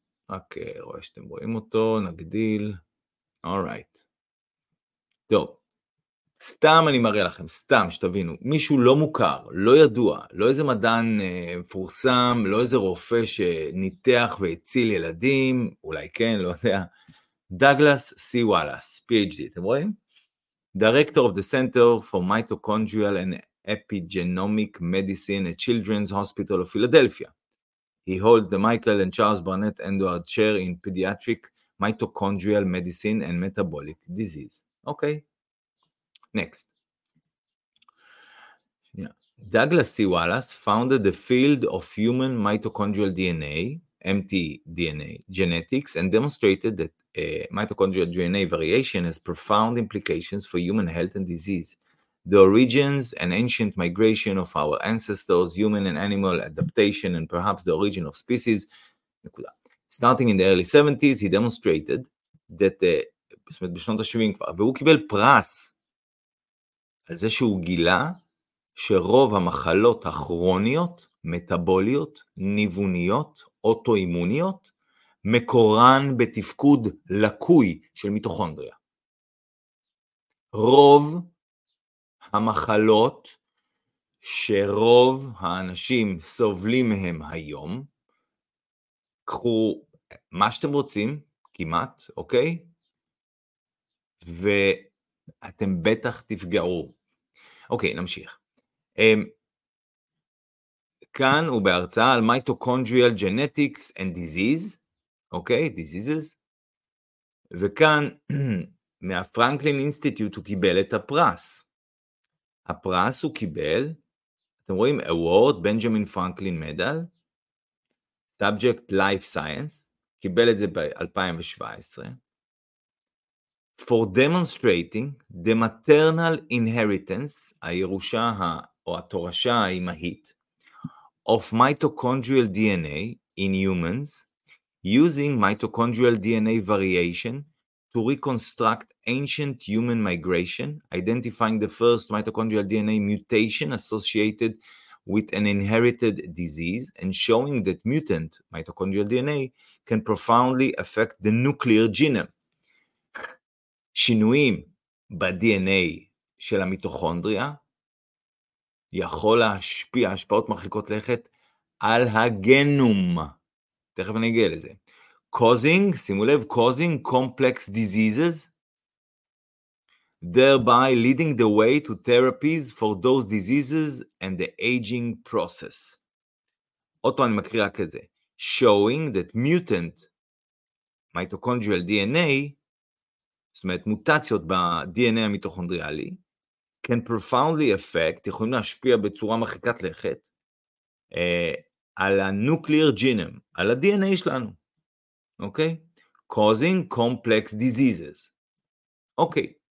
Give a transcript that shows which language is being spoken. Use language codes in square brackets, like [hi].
[he] רק רואה שאתם רואים אותו, נגדיל. [en] All right. [he] טוב. סתם אני מראה לכם, סתם שתבינו, מישהו לא מוכר, לא ידוע, לא איזה מדען מפורסם, לא איזה רופא שניתח והציל ילדים, אולי כן, לא יודע, דאגלס סי וואלס, PhD, אתם רואים? [en] Director of the Center for Mitochondrial and Epigenomic Medicine at Children's Hospital of Philadelphia. He holds the Michael and Charles Barnett Endowed Chair in Pediatric Mitochondrial Medicine and Metabolic Disease. אוקיי. Okay. Next. Yeah. Douglas C. Wallace founded the field of human mitochondrial DNA, mtDNA genetics, and demonstrated that mitochondrial DNA variation has profound implications for human health and disease. The origins and ancient migration of our ancestors, human and animal adaptation, and perhaps the origin of species. Starting in the early 70s, he demonstrated that [he] בשנות ה-70 כבר, והוא קיבל פרס על זה שהוא גילה שרוב המחלות הכרוניות, מטאבוליות, ניווניות, אוטואימוניות, מקורן בתפקוד לקוי של מיטוכונדריה. רוב המחלות שרוב האנשים סובלים מהם היום, קחו מה שאתם רוצים, כמעט, אוקיי? ואתם בטח תפגעו. אוקיי, נמשיך. כאן הוא בהרצאה על [en] mitochondrial genetics and disease, [he] אוקיי, diseases, וכאן מהפרנקלין אינסטיטוט הוא קיבל את הפרס. הפרס הוא קיבל, אתם רואים, award, Benjamin Franklin Medal, [en] subject life science, [he] קיבל את זה ב-2017, [en] for demonstrating the maternal inheritance, [he] הירושה או התורשה האימהית, [en] of mitochondrial DNA in humans, using mitochondrial DNA variation to reconstruct ancient human migration, identifying the first mitochondrial DNA mutation associated with an inherited disease, and showing that mutant mitochondrial DNA can profoundly affect the nuclear genome. [he] שינויים ב-DNA של המיטוכונדריה יכול להשפיע, השפעות מרחיקות לכת, על הגנום. תכף אני אגיע לזה. [en] Causing, [he] שימו לב, [en] causing complex diseases, thereby leading the way to therapies for those diseases and the aging process. [he] אותו אני מקריא רק את זה. [en] Showing that mutant mitochondrial DNA, [he] זאת אומרת, מוטציות ב-DNA המיטוכונדריאלי, [en] can profoundly affect, [he] יכולים להשפיע בצורה מרחיקת לכת, על ה-nuclear genome, על ה-DNA שלנו, אוקיי? [en] Okay? Causing complex diseases. [he] אוקיי, okay.